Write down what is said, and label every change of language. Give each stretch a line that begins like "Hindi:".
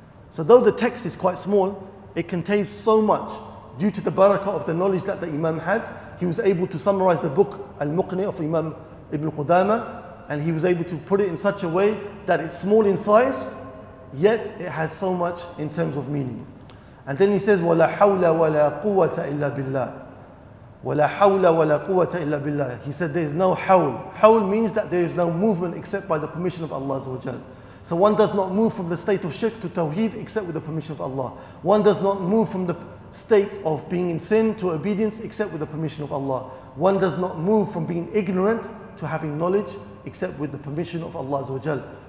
English: So though the text is quite small, it contains so much. Due to the barakah of the knowledge that the Imam had, he was able to summarize the book Al-Muqni of Imam Ibn Qudama, and he was able to put it in such a way that it's small in size, yet it has so much in terms of meaning. And then he says,
Arabic: وَلَا حَوْلَ وَلَا قُوَّةَ إِلَّا بِاللَّهِ وَلَا حَوْلَ وَلَا قُوَّةَ إِلَّا بِاللَّهِ.
English: He said, there is no حَوْل. حَوْل means that there is no movement except by the permission of Allah Azza wa Jal. So one does not move from the state of shirk to tawheed except with the permission of Allah. One does not move from the state of being in sin to obedience except with the permission of Allah. One does not move from being ignorant to having knowledge except with the permission of Allah Azza wa Jal.